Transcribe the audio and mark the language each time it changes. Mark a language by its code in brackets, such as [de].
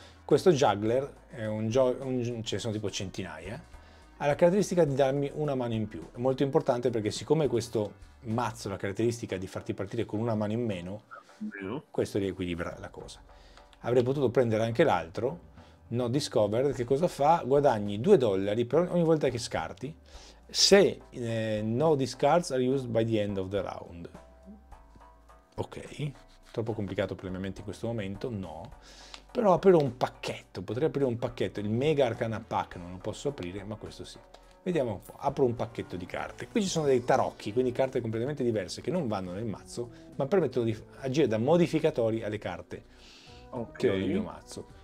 [it] Questo juggler, ce ne sono tipo centinaia, ha la caratteristica di darmi una mano in più. È molto importante perché siccome questo mazzo ha la caratteristica di farti partire con una mano in meno, questo riequilibra la cosa. Avrei potuto prendere anche l'altro. No, discover, che cosa fa? Guadagni 2 dollari per ogni volta che scarti. [en] Se no discards are used by the end of the round. [it] Ok, troppo complicato per la mia mente in questo momento, no. Però apro un pacchetto, potrei aprire un pacchetto. Il Mega Arcana Pack non lo posso aprire, ma questo sì. Vediamo un po', apro un pacchetto di carte. Qui ci sono dei tarocchi, quindi carte completamente diverse che non vanno nel mazzo, ma permettono di agire da modificatori alle carte che ho nel mio mazzo.